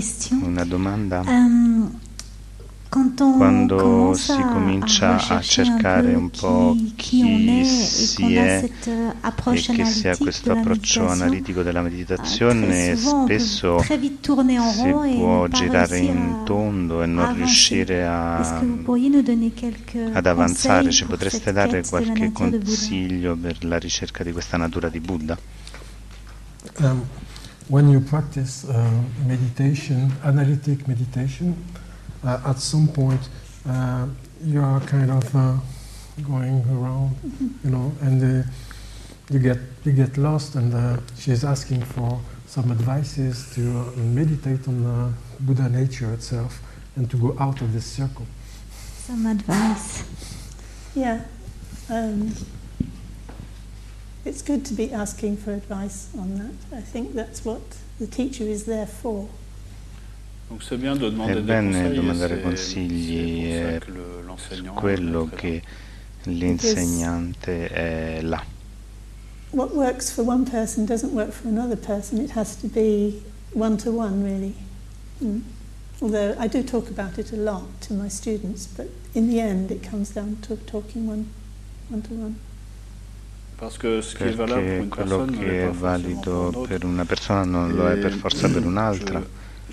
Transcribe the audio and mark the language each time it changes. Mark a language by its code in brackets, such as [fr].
[it] Una domanda. Quando si comincia a cercare un po' chi si è e che si ha questo approccio analitico della meditazione, spesso si può girare in tondo e non riuscire ad avanzare. Ci potreste dare qualche consiglio per la ricerca di questa natura di Buddha? [en] When you practice meditation, analytic meditation, at some point you are kind of going around, you know, and you get lost. And she is asking for some advices to meditate on Buddha nature itself and to go out of this circle. Some advice. Yeah. It's good to be asking for advice on that. I think that's what the teacher is there for. [fr] Donc c'est bien de demander [it] demandare consigli, è quello che l'insegnante è là. [en] What works for one person doesn't work for another person. It has to be one-to-one, really. Although I do talk about it a lot to my students, but in the end it comes down to talking one-to-one. [it] Perché quello che è valido per una persona non lo è per forza per un'altra.